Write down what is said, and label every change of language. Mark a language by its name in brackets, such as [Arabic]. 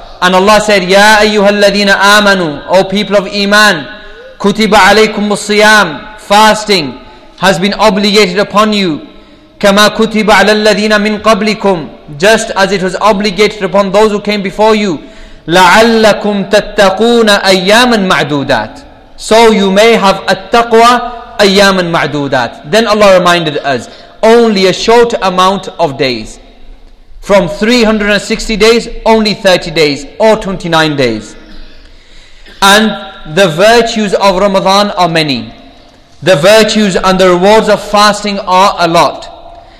[English] And Allah said, [Arabic] Ya ayyuhal ladhina amanu, [English] O people of Iman, [Arabic] kutiba alaykum al-siyam, [English] fasting has been obligated upon you. [Arabic] Kama kutiba ala ladhina min qablikum, [English] just as it was obligated upon those who came before you. [Arabic] لَعَلَّكُمْ تَتَّقُونَ أَيَّامًا مَعْدُودَاتٍ, [English] so you may have at-taqwa [Arabic] أَيَّامًا مَعْدُودَاتٍ. [English] Then Allah reminded us, only a short amount of days. From 360 days, only 30 days or 29 days. And the virtues of Ramadan are many. The virtues and the rewards of fasting are a lot.